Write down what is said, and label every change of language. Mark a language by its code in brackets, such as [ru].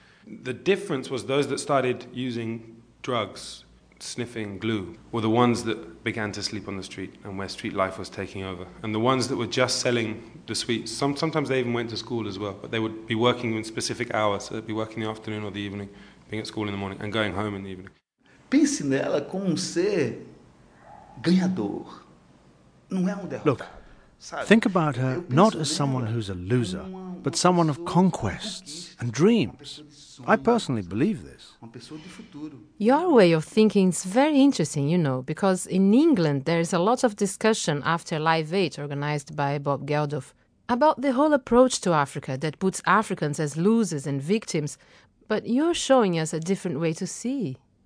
[en] The difference was those that started using drugs, sniffing glue, were the ones that began to sleep on the street and where street life was taking over. And the ones that were just selling the sweets, sometimes they even went to school as well, but they would be working in specific hours, so they'd be working in the afternoon or the evening, being at school in the morning and going home in the evening. [pt] Pense nela como ser ganhador. Não é um derrotado. [en] Look, think about her not as someone who's a loser, but someone of conquests and dreams. I personally believe this. Your way of thinking is very interesting, you know, because in England there is a lot of discussion after Live 8 organized by Bob Geldof about the whole approach to Africa that puts Africans as losers and victims, but you're showing us a different way to see.